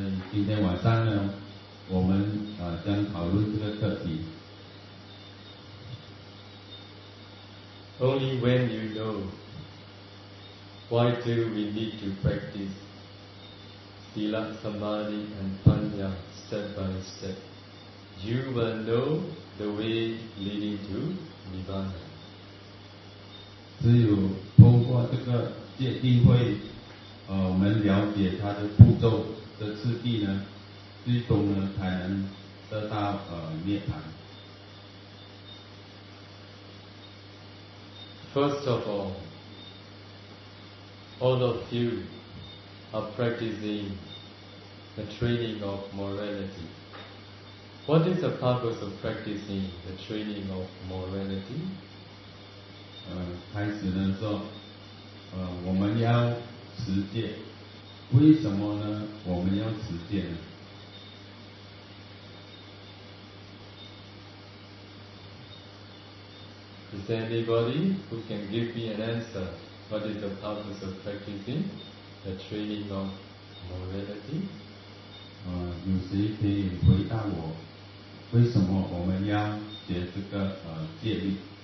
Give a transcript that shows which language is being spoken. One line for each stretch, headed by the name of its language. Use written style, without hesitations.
Chinese: 今天晚上呢我们将讨论这个课题。
English: Only when you know why do we need to practice sila, samadhi, and panya step by step, you will know the way leading to nirvana.
Chinese: 只有通过这个戒定慧，我们了解它的步骤的次第呢，最终呢才能得到涅槃。
English: First of all of you are practicing the training of morality. What is the purpose of practicing the training of morality?
Chinese: 开始呢说，我们要持戒。为什么呢？我们要持戒呢？
English: Is there anybody who can give me an answer? What is the purpose of practicing the training of morality?
Chinese: 有谁可以回答我，为什么我们要学这个戒律？